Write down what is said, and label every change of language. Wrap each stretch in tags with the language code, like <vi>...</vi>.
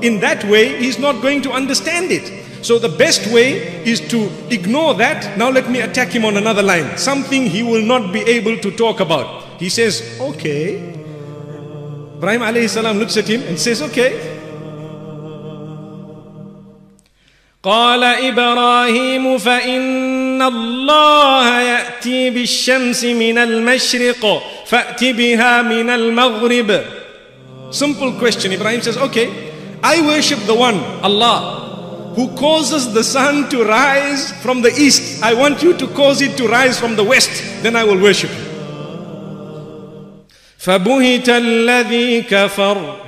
<en>In that way, he's not going to understand it. So the best way is to ignore that. Now let me attack him on another line, something he will not be able to talk about. He says, okay. Ibrahim alayhi salam looks at him and says, okay.</en> <ar>قال إبراهيم فإن الله يأتي بالشمس من المشرق فأتي بها من المغرب.</ar> <en>Simple question. Ibrahim says, okay, I worship the one, Allah, who causes the sun to rise from the east. I want you to cause it to rise from the west. Then I will worship you.</en> <ar>فَبُهِتَ الَّذِي كَفَرُ.</ar>